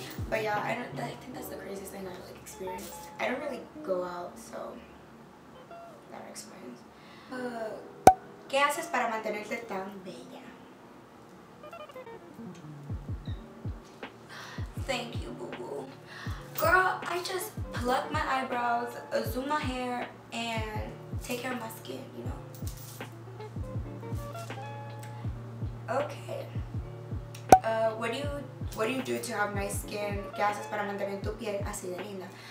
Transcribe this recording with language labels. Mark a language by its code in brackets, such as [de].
[en] But yeah, I think that's the craziest thing I've like experienced. I don't really go out, so that explains. [es] ¿Qué haces para mantenerte tan bella? [en] Thank you, boo-boo. Girl, I just pluck my eyebrows, zoom my hair, and take care of my skin, you know? Okay. What do you do to have nice skin? [es] ¿Qué haces para mantener tu piel así de linda?